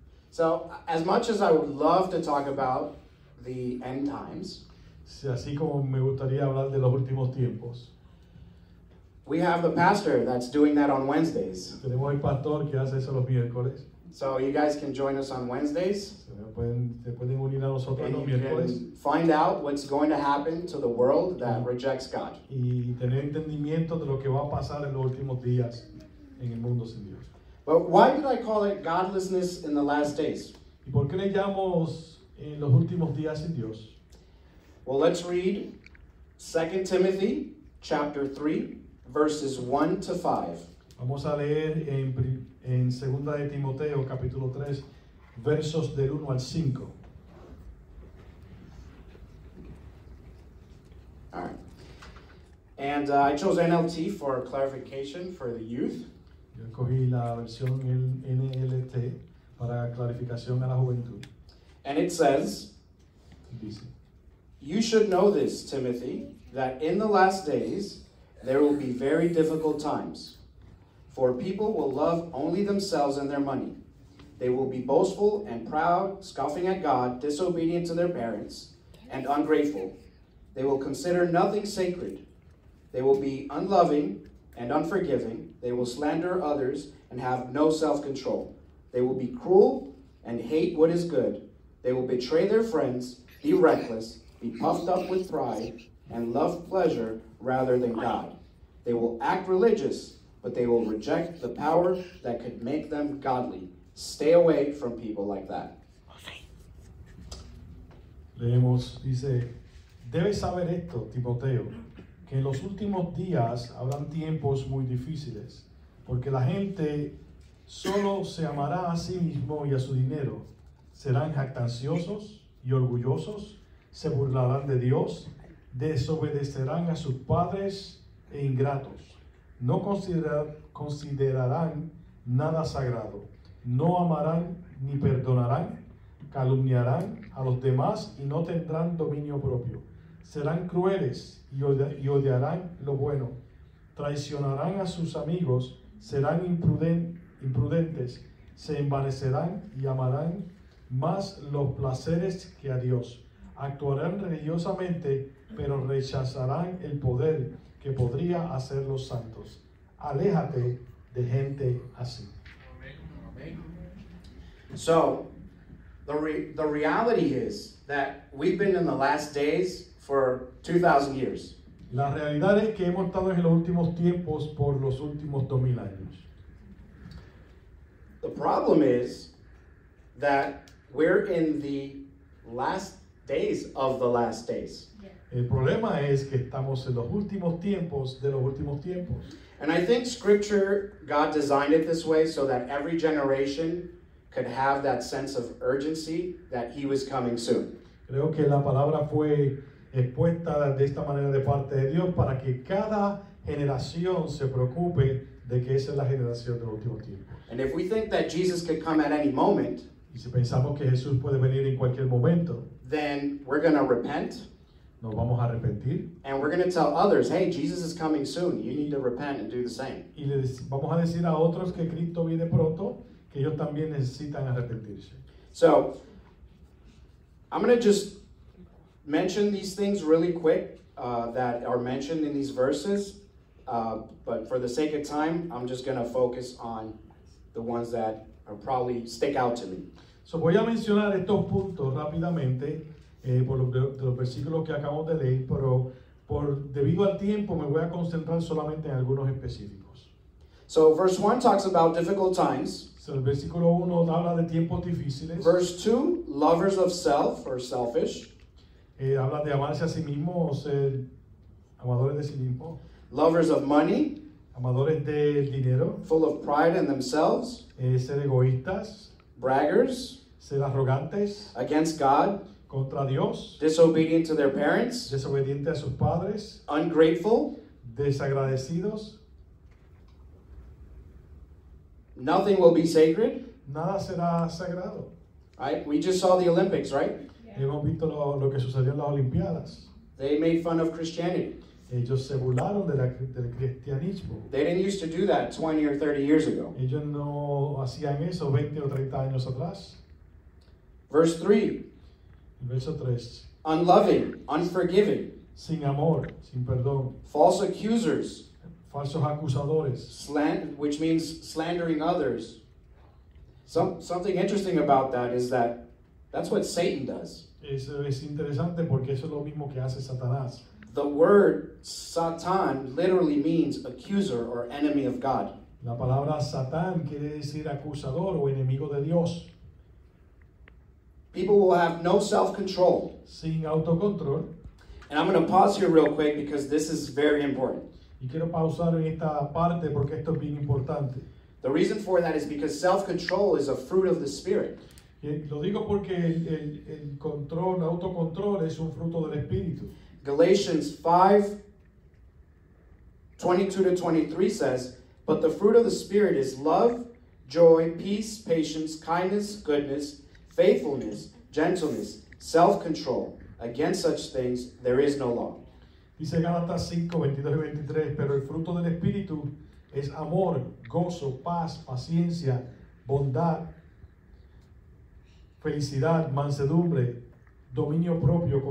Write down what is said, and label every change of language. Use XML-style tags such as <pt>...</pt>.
<en>So as much as I would love to talk about the end times,</en> <es>si, así como me gustaría hablar de los últimos tiempos,</es> <en>we have the pastor that's doing that on Wednesdays.</en> <es>Tenemos el pastor que hace eso los miércoles.</es> <en>So you guys can join us on Wednesdays.</en> <es>Se pueden unir a nosotros</es> <en>and</en> <es>los miércoles.</es> <en>Find out what's going to happen to the world that rejects God.</en> <es>Y tener entendimiento de lo que va a pasar en los últimos días en el mundo sin Dios.</es> <en>But why did I call it godlessness in the last days?</en> <es>¿Y por qué le llamo en los últimos días sin Dios?</es> <en>Well, let's read 2 Timothy chapter 3, verses 1 to 5.</en> <es>Vamos a leer en 2 de Timoteo capítulo 3, versos del 1 al 5.</es> <en>All right. And I chose NLT for clarification for the youth.</en> <es>Yo escogí la versión NLT para clarificación a la juventud.</es> <en>And it says,</en> <es>dice,</es> <en>you should know this, Timothy, that in the last days there will be very difficult times. For people will love only themselves and their money. They will be boastful and proud, scoffing at God, disobedient to their parents, and ungrateful. They will consider nothing sacred. They will be unloving and unforgiving. They will slander others and have no self-control. They will be cruel and hate what is good. They will betray their friends, be reckless, be puffed up with pride, and love pleasure rather than God. They will act religious, but they will reject the power that could make them godly. Stay away from people like that.</en> <es>Leemos, dice, debes saber esto, Timoteo, que en los últimos días habrán tiempos muy difíciles, porque la gente solo se amará a sí mismo y a su dinero. Serán jactanciosos y orgullosos, se burlarán de Dios, desobedecerán a sus padres e ingratos. No considerarán nada sagrado, no amarán ni perdonarán, calumniarán a los demás y no tendrán dominio propio. Serán crueles y odiarán lo bueno, traicionarán a sus amigos, serán imprudentes, se envanecerán y amarán más los placeres que a Dios. Actuarán religiosamente, pero rechazarán el poder que podría hacer los santos. Aléjate de gente así.</es> <en>So, the reality is that we've been in the last days for 2,000 years.</en> <es>La realidad es que hemos estado en los últimos tiempos por los últimos 2,000 años.</es> <en>The problem is that we're in the last days of the last days.</en> <es>El problema es que estamos en los últimos tiempos de los últimos tiempos.</es> <en>And I think scripture, God designed it this way so that every generation could have that sense of urgency that he was coming soon.</en> <es>Creo que la palabra fue expuesta de esta manera de parte de Dios para que cada generación se preocupe de que esa es la generación de los últimos tiempos.</es> <en>And if we think that Jesus could come at any moment,</en> <es>Y si pensamos que Jesús puede venir en cualquier momento,</es> <en>then we're going to repent.</en> <es>Nos vamos a arrepentir.</es> <en>And we're going to tell others, hey, Jesus is coming soon. You need to repent and do the same.</en> <es>Y les vamos a decir a otros que Cristo viene pronto, que ellos también necesitan arrepentirse.</es> <en>So, I'm going to just mention these things really quick that are mentioned in these verses. But for the sake of time, I'm just going to focus on the ones that are probably stick out to me.</en> <es>So, voy a mencionar estos puntos rápidamente. Por los versículos que acabamos de leer, pero debido al tiempo me voy a concentrar solamente en algunos específicos.</es> <en>So verse 1 talks about difficult times.</en> <es>So el versículo 1 habla de tiempos difíciles.</es> <en>Verse 2, lovers of self or selfish.</en> <es>Habla de amarse a sí mismo o ser amadores de sí mismo.</es> <en>Lovers of money.</en> <es>Amadores del dinero.</es> <en>Full of pride in themselves.</en> <es>Ser egoístas.</es> <en>Braggers.</en> <es>Ser arrogantes.</es> <en>Against God.</en> <es>Contra Dios,</es> <en>disobedient to their parents,</en> <es>desobediente a sus padres,</es> <en>ungrateful,</en> <es>desagradecidos,</es> <en>nothing will be sacred,</en> <es>nada será sagrado.</es> <en>Right? We just saw the Olympics, right? Yeah.</en> <es>Hemos visto lo que sucedió en las Olimpiadas.</es> <en>They made fun of Christianity.</en> <es>Ellos se burlaron del cristianismo.</es> <en>They didn't used to do that 20 or 30 years ago.</en> <es>Ellos no hacían eso 20 o 30 años atrás.</es> <en>Verse 3.</en> <es>Verso 3.</es> <en>Unloving, unforgiving.</en> <es>Sin amor, sin perdón.</es> <en>False accusers.</en> <es>Falsos acusadores.</es> <en>Which means slandering others. Something interesting about that is that that's what Satan does.</en> <es>Eso es interesante porque eso es lo mismo que hace Satanás.</es> <en>The word Satan literally means accuser or enemy of God.</en> <es>La palabra Satán quiere decir acusador o enemigo de Dios.</es> <en>People will have no self-control.</en> <es>Sin autocontrol.</es> <en>And I'm going to pause here real quick because this is very important.</en> <es>Y quiero pausar en esta parte porque esto es bien importante.</es> <en>The reason for that is because self-control is a fruit of the Spirit.</en> <es>Y lo digo porque el control, el autocontrol es un fruto del Espíritu.</es> <en>Galatians 5:22-23 says, "But the fruit of the Spirit is love, joy, peace, patience, kindness, goodness, faithfulness, gentleness, self-control. Against such things there is no law."</en> <es>Dice Gálatas 5:22-23, pero el fruto del Espíritu es amor, gozo, paz, paciencia, bondad, felicidad, mansedumbre, dominio propio.</es>